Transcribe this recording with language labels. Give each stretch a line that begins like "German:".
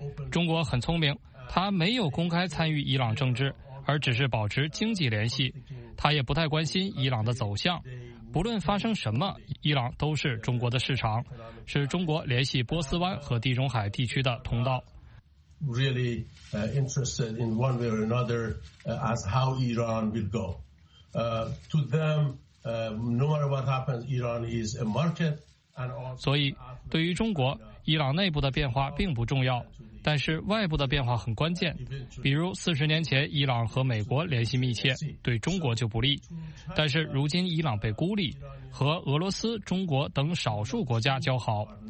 Chinese: 中国很聪明，他没有公开参与伊朗政治，而只是保持经济联系，他也不太关心伊朗的走向。不论发生什么，伊朗都是中国的市场，是中国联系波斯湾和地中海地区的通道。
English: Really interested in one way or another as how Iran will go. To them, no matter what happens, Iran is a market.
Chinese: 所以对于中国，伊朗内部的变化并不重要，但是外部的变化很关键。比如40年前伊朗和美国联系密切，对中国就不利，但是如今伊朗被孤立，和俄罗斯、中国等少数国家交好。